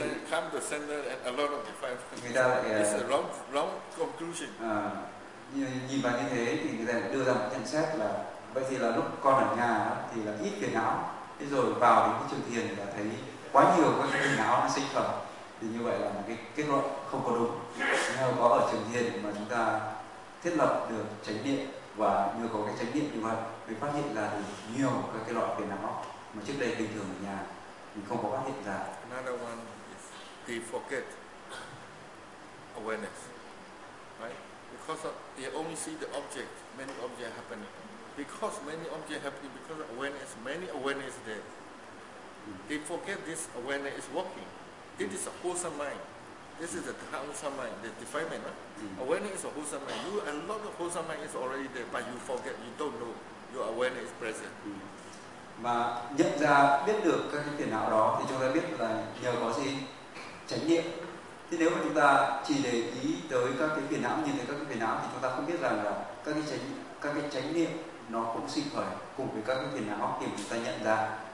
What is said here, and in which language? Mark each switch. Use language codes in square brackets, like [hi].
[en] Come to center and a lot of defilement. It's a wrong conclusion. [vi] Nhìn vào như thế thì người ta đưa ra một nhận xét là vậy thì là lúc con ở nhà thì là ít phiền não, thế rồi vào đến cái trường thiền là thấy quá nhiều các cái phiền não nó sinh khởi, thì như vậy là một cái kết luận không có đúng. Nếu có ở trường thiền mà chúng ta thiết lập được chánh niệm và như có cái chánh niệm như vậy mới phát hiện ra được nhiều các cái loại phiền não mà trước đây bình thường ở nhà mình không có phát hiện ra. [en] Another one is the forget awareness, right? Because they only see the object, many objects happening. Because many objects happening, because awareness, many awareness there. They forget this awareness is working. This is a wholesome mind. This is a wholesome mind, the defilement. Huh? Awareness is a wholesome mind. You, a lot of wholesome mind is already there, but you forget, you don't know. Your awareness is present. [vi] Mà nhận ra, biết được các cái phiền não đó, thì chúng ta biết là nhờ có gì? Chánh niệm. Thế nếu mà chúng ta chỉ để ý tới các cái phiền não, nhìn thấy các cái phiền não, thì chúng ta không biết rằng là các cái chánh niệm nó cũng sinh khởi cùng với các cái phiền não thì chúng ta nhận ra.